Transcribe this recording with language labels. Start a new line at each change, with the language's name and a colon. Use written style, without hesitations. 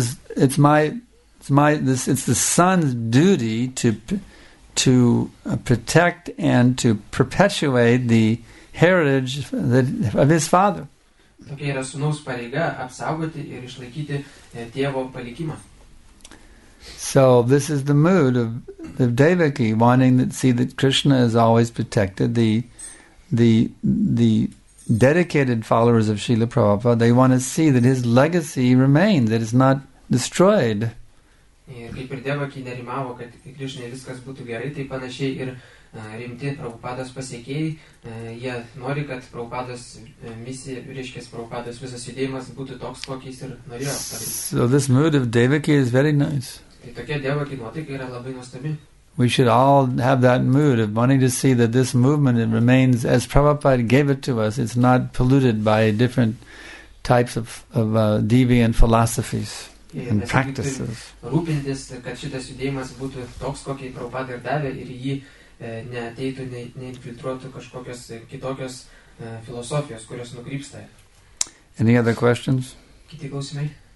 English: It's the son's duty to protect and to perpetuate the heritage of his father.
Lithuanian: Tokia yra sūnaus pareiga apsaugoti ir išlaikyti tėvo palikimą.
English: So this is the mood of Devaki, wanting to see that Krishna is always protected. The dedicated followers of Srila Prabhupada, they want to see that his legacy remains, that it's not destroyed.
Lithuanian: Ir kaip ir Devaki nerimavo, kad Krishna viskas būtų gerai, tai panašiai ir rimti Prabhupados pasiekėjai, jie nori, kad Prabhupados misija, reiškia, Prabhupados visas judėjimas būtų toks, kokiais ir norėjo.
English: So this mood of Devaki is very nice.
Lithuanian: Tai tokia Devaki nuotaika yra labai nuostabi.
English: We should all have that mood of wanting to see that this movement remains as Prabhupada gave it to us. It's not polluted by different types of deviant philosophies. And practices.
Lithuanian: Rūpintis, kad šitas judėjimas būtų toks, kokį Prabhupada ir davė, ir jį neateitų, neinfiltruotų kažkokios kitokios filosofijos, kurios nukrypsta.
English: Any other questions?
Lithuanian: Kiti klausimai?